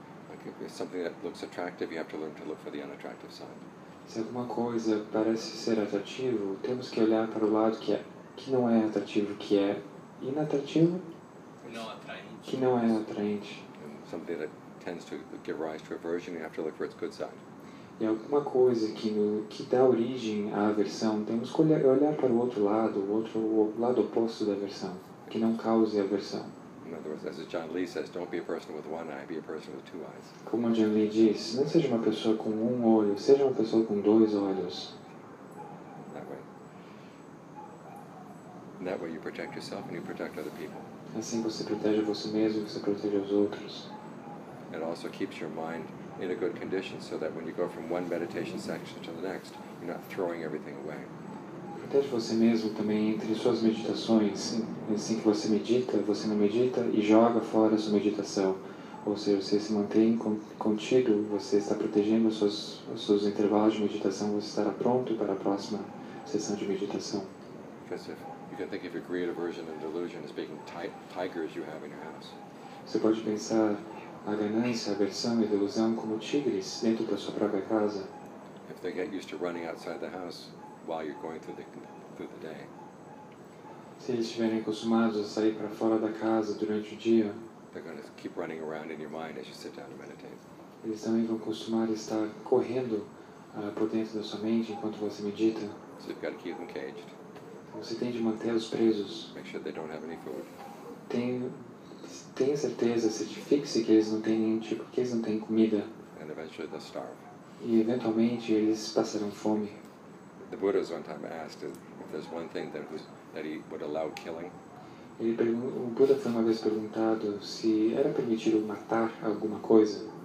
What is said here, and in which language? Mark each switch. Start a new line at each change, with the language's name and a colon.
English: Like if it's something that looks attractive, you have to learn to look for the unattractive side.
Portuguese: Se alguma coisa parece ser atrativo, temos que olhar para o lado que não é atrativo, que é inatrativo. Que não é atraente.
English: And something that tends to give rise to aversion, you have to look for its good side.
Portuguese: E alguma coisa que dá origem à aversão, temos que olhar para o lado oposto da aversão, que não cause aversão.
English: In other words, as John Lee says, don't be a person with one eye, be a person with two eyes.
Portuguese: Como John Lee diz, não seja uma pessoa com um olho, seja uma pessoa com dois olhos.
English: That way. That way you protect yourself and you protect other people.
Portuguese: Assim você protege você mesmo e você protege os outros.
English: It also keeps your mind in a good condition, so that when you go from one meditation section to the next, you're not throwing everything away.
Portuguese: Protege você mesmo também entre suas meditações. Assim que você não medita e joga fora sua meditação. Ou seja, você se mantém contido, você está protegendo os seus intervalos de meditação, você estará pronto para a próxima sessão de meditação.
English: You can think of your greed, aversion, and delusion as being tigers you have in your house.
Portuguese: Você pode pensar a ganância, a aversão e a delusão como tigres dentro da sua própria casa.
English: If they get used to running outside the house while you're going through the day.
Portuguese: Se eles estiverem acostumados a sair para fora da casa durante o dia,
English: they're going to keep running around in your mind as you sit down to meditate.
Portuguese: Eles também vão acostumar a estar correndo por dentro da sua mente enquanto você medita.
English: So you've got to keep them caged.
Portuguese: Você tem de mantê-los presos.
English: Make sure they don't have any food.
Portuguese: Tenha certeza, certifique-se que eles não têm nenhum tipo, que eles não têm comida.
English: And eventually they'll starve.
Portuguese: E eventualmente eles passarão fome.
English: The Buddha one time asked if there's one thing that he would allow killing.
Portuguese: O Buddha foi uma vez perguntado se era permitido matar alguma coisa.